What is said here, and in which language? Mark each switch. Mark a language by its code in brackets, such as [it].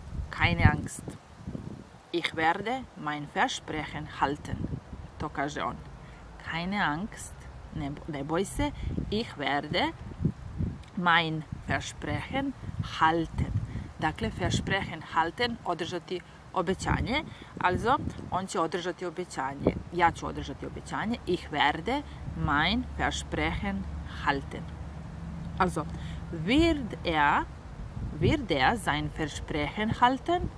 [de] Keine Angst. Ich werde mein Versprechen halten. [sr] To kaže on. [de] Keine Angst, [sr] ne boj se, [de] ich werde mein Versprechen halten. [sr] Dakle, [de] Versprechen halten, [sr] održati obećanje. Also, on će održati obećanje. Ja ću održati obećanje. [de] Ich werde mein Versprechen halten. Also, wird er sein Versprechen halten?